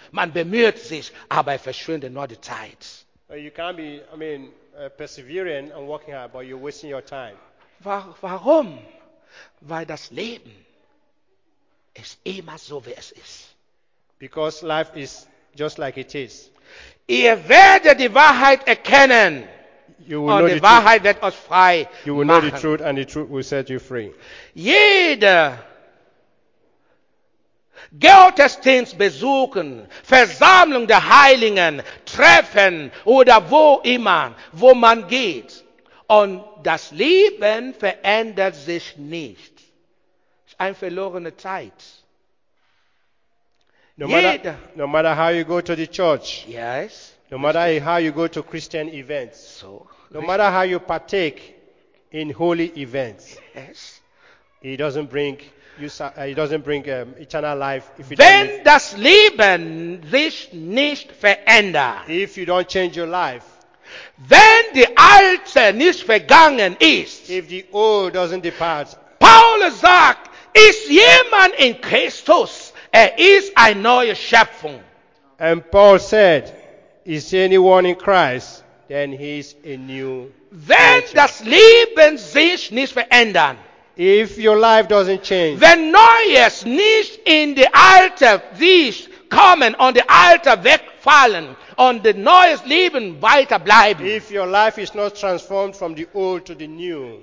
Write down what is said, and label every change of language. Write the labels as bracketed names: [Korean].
[German] Man bemüht sich, aber verschwindet nur die Zeit. [English] You can't be, persevering and working hard, but you're wasting your time. [German] Warum? Weil das Leben ist immer so, wie es ist. [English] Because life is just like it is. [German] Ihr werdet die Wahrheit erkennen. [English] You will know [German] die Wahrheit wird uns frei machen. [English] You will know the truth, and the truth will set you free. [German] Jeder Gottesdienst besuchen, Versammlung der Heiligen, Treffen oder wo immer, wo man geht. Und das Leben verändert sich nicht. Es ist eine verlorene Zeit. [English] No matter how you go to the church. Yes. No matter how you go to Christian events. So. No matter how you partake in holy events. Yes. It doesn't bring eternal life. [German] Das Leben sich nicht verändert. [English] If you don't change your life. [German] Wenn die Alte nicht vergangen ist. [English] If the old doesn't depart. [German] Paulus sagt, ist jemand in Christus, ist eine neue Schöpfung. [English] And Paul said, is anyone in Christ, then he is a new creature. [German] Wenn das Leben sich nicht verändert. [English] If your life doesn't change. [German] Wenn Neues nicht in die Alte sich kommen und die Alte wegfallen und die Neues Leben weiter bleiben. [English] If your life is not transformed from the old to the new.